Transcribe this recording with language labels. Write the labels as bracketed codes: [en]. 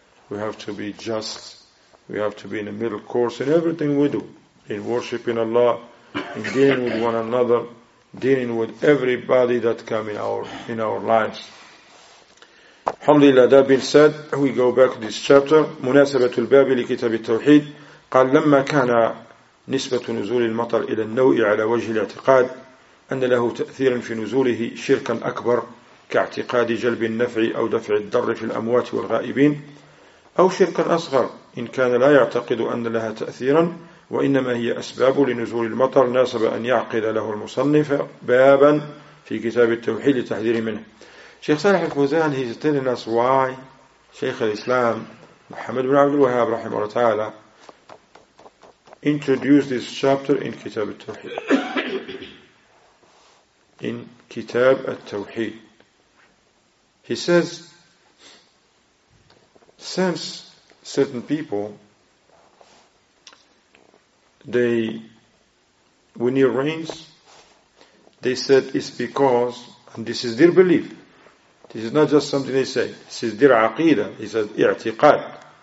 [en] We have to be just. We have to be in the middle course in everything we do, in worshipping Allah, in dealing with one another, dealing with everybody that comes in our lives. Alhamdulillah, that being said, we go back to this chapter. [ar] مناسبه الباب لكتاب التوحيد قال لما كان نسبه نزول المطر الى النوء على وجه الاعتقاد ان له تاثيرا في نزوله شركا اكبر كاعتقاد جلب النفع او دفع الضر في الاموات والغائبين او شركا اصغر إن كان لا يعتقد أن لها تأثيرا وإنما هي أسباب لنزول المطر ناسب أن يعقد له المصنف بابا في كتاب التوحيد لتحذير منه. [en] شيخ صالح الفوزان, he's telling us why شيخ الإسلام محمد بن عبد الوهاب رحمه الله تعالى introduced this chapter in كتاب التوحيد. In كتاب التوحيد he says, since certain people, they, when it rains, they said it's because, and this is their belief, this is not just something they say, this is their aqidah, it's an i'tiqad.